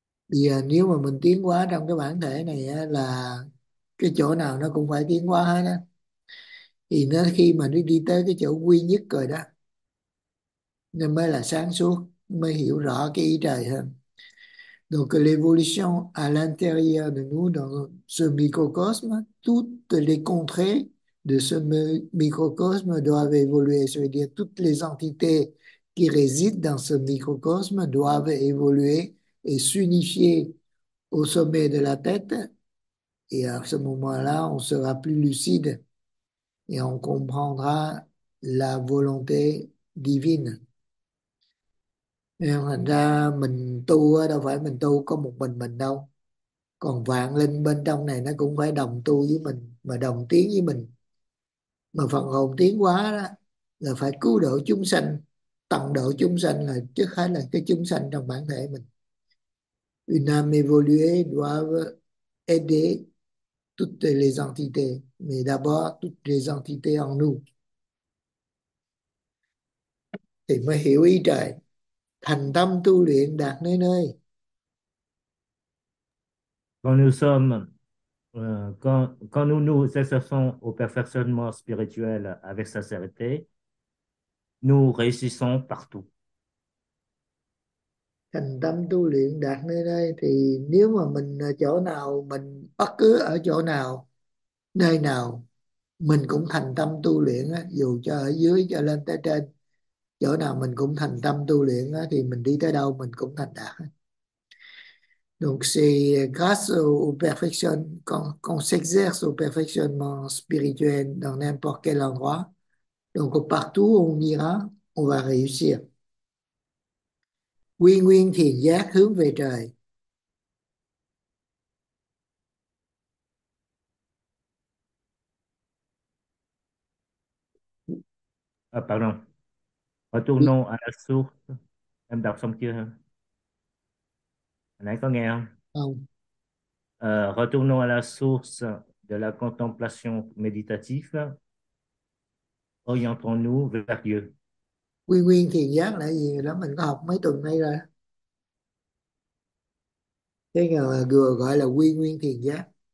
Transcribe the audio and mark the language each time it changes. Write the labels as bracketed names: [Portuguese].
[Vietnamese] Bây giờ nếu mà mình tiến hóa trong cái bản thể này á, là cái chỗ nào nó cũng phải tiến hóa hết á. Thì nó khi mà nó đi tới cái chỗ quy nhất rồi đó nên mới là sáng suốt, mới hiểu rõ cái ý trời hơn. [French] Donc l'évolution à l'intérieur de nous dans ce microcosme, toutes les contrées de ce microcosme doivent évoluer, c'est-à-dire toutes les entités qui résident dans ce microcosme doivent évoluer et s'unifier au sommet de la tête. Et à ce moment-là, on sera plus lucide. Et on comprendra la volonté divine. [Vietnamese] Et thành ra mình tu đâu phải mình tu có một mình đâu. Còn vạn linh bên trong này nó cũng phải đồng tu với mình, mà đồng tiến với mình. Mà phần hồn tiến hóa đó là phải cứu độ chúng sanh, tận độ chúng sanh là trước hết là cái chúng sanh trong bản thể mình. [French] Une âme évoluée doit aider toutes les entités, mais d'abord toutes les entités en nous. [Vietnamese] Thì mới hiểu ý trời. Thành tâm tu luyện đạt nơi nơi. [French] Quand nous nous exerçons au perfectionnement spirituel avec sincérité, nous réussissons partout. [Vietnamese] Thành tâm tu luyện đạt nơi đây thì nếu mà mình ở chỗ nào, mình bất cứ ở chỗ nào, nơi nào mình cũng thành tâm tu luyện á, dù cho ở dưới cho lên tới trên, chỗ nào mình cũng thành tâm tu luyện á, thì mình đi tới đâu mình cũng thành đạt. [French] Donc c'est grâce au perfection qu'on s'exerce au perfectionnement spirituel dans n'importe quel endroit. Donc partout où on ira, on va réussir. [Vietnamese] Quy nguyên thiền giác hướng về trời. [French] Pardon. Retournons à la source. [Vietnamese] Em đọc xong chưa? Hả? Nãy có nghe không? Không. [French] Retournons à la source de la contemplation méditative. Orientons-nous vers Dieu. [Vietnamese] Quy nguyên thiền giác là gì đó mình có học mấy tuần nay rồi. Cái là vừa gọi là quy nguyên thiền giác.